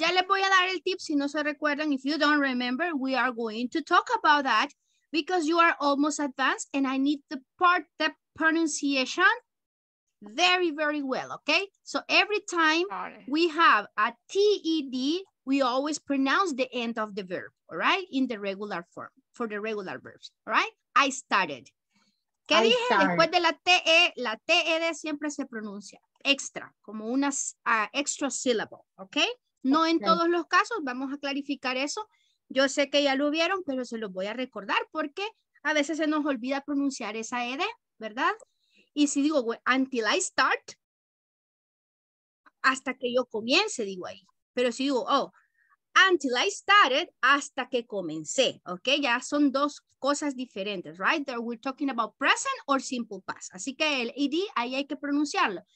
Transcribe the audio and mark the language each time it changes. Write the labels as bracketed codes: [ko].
[es] Ya les voy a dar el tip, si no se recuerdan, [en] if you don't remember, we are going to talk about that because you are almost advanced and I need the part, the pronunciation very, very well, okay? So every time we have a TED, we always pronounce the end of the verb, all right? In the regular form, for the regular verbs, all right? I started. [es] ¿Qué dije? Después de la TED siempre se pronuncia extra, como una extra syllable, okay? No en todos los casos, vamos a clarificar eso. Yo sé que ya lo vieron, pero se los voy a recordar porque a veces se nos olvida pronunciar esa ED, ¿verdad? Y si digo, [en] until I start, [es] hasta que yo comience, digo ahí. Pero si digo, [en] oh, until I started, [es] hasta que comencé, ¿ok? Ya son dos cosas diferentes, right? [en] That we're talking about present or simple past. [es] Así que el ED, ahí hay que pronunciarlo.